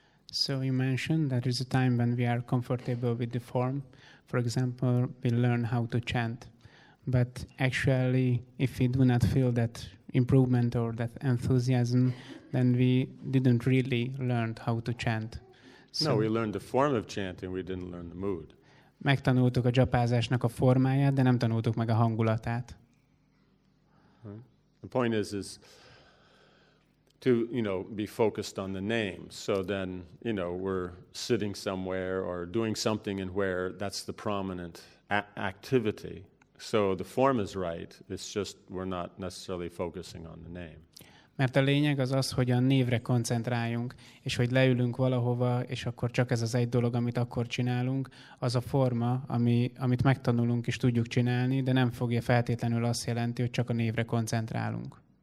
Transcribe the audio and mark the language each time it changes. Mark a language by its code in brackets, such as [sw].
[en] So you mentioned that is a time when we are comfortable with the form. For example, we learn how to chant. But actually, if we do not feel that improvement or that enthusiasm, then we didn't really learn how to chant. So no, we learned the form of chanting, we didn't learn the mood. [hu] Megtanultuk a japázásnak a formáját, de nem tanultuk meg a hangulatát. [en] The point is to, you know, be focused on the name. So then, you know, we're sitting somewhere or doing something in where that's the prominent activity. So the form is right, it's just we're not necessarily focusing on the name. [hu] Mert a lényeg az az, hogy a névre koncentráljunk, és hogy leülünk valahova, és akkor csak ez az egy dolog, amit akkor csinálunk, az a forma, amit megtanulunk és tudjuk csinálni, de nem fogja feltétlenül azt jelenti, hogy csak a névre koncentrálunk.